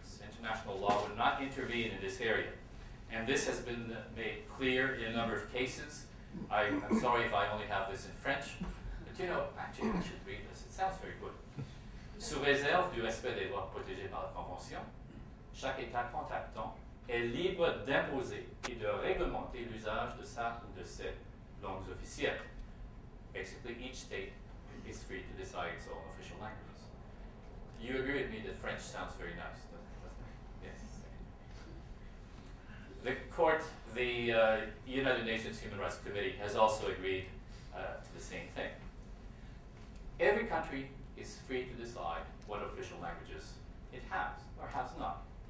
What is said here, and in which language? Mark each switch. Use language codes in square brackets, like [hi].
[en] international law would not intervene in this area. And this has been made clear in a number of cases. I'm sorry if I only have this in French, but you know, actually, I should read this. It sounds very good. [fr] Sous réserve du respect des droits protégés par la Convention, chaque État contractant est libre d'imposer et de réglementer l'usage de sa ou de ses langues officielles. [en] Basically, each state is free to decide its own official languages. You agree with me that French sounds very nice, doesn't it? Yes. The court, the United Nations Human Rights Committee, has also agreed to the same thing. Every country is free to decide what official languages it has or has not.